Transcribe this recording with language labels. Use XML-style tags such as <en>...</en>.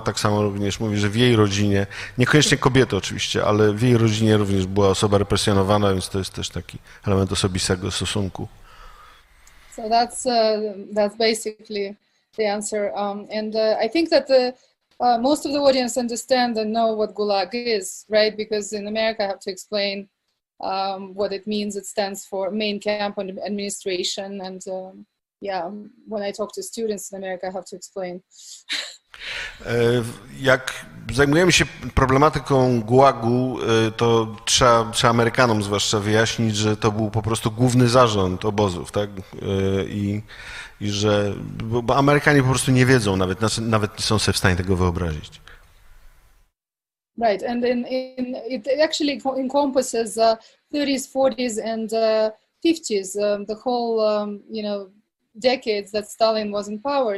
<pl>Tak samo również mówi, że w jej rodzinie, niekoniecznie kobiety oczywiście, ale w jej rodzinie również była osoba represjonowana, więc to jest też taki element osobistego stosunku.</pl> <en>So that's basically the answer. I think that most of the audience understand and know what Gulag is, right? Because in America I have to explain what it means. It stands for main camp and administration. And when I talk to students in America I have to explain.</en> <pl>Jak zajmujemy się problematyką Gułagu, to trzeba Amerykanom zwłaszcza wyjaśnić, że to był po prostu główny zarząd obozów, tak? I że bo Amerykanie po prostu nie wiedzą, nawet nie są sobie w stanie tego wyobrazić.</pl> <en>Right, and in it actually encompasses 30s, 40s and 50s, the whole decades that Stalin was in power.</en>